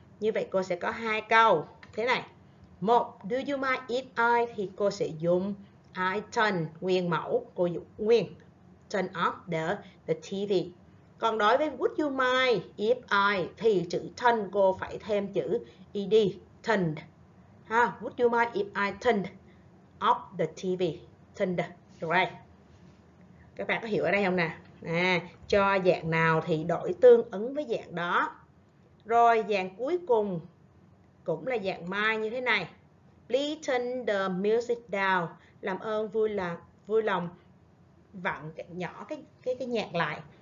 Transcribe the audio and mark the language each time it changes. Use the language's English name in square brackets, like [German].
[Vietnamese] Như vậy cô sẽ có hai câu thế này. Một, [English] do you mind if I? [Vietnamese] Thì cô sẽ dùng I turn nguyên mẫu, cô dùng nguyên [English] turn off the TV. [Vietnamese] Còn đối với [English] would you mind if I [Vietnamese] thì chữ turn cô phải thêm chữ ed, turned. [English] Ha, would you mind if I turned off the TV? Turned, right? [Vietnamese] Các bạn có hiểu ở đây không nè? À, cho dạng nào thì đổi tương ứng với dạng đó. Rồi dạng cuối cùng cũng là dạng mai như thế này. [English] Please turn the music down. [Vietnamese] Làm ơn vui lòng vặn nhỏ cái nhạc lại.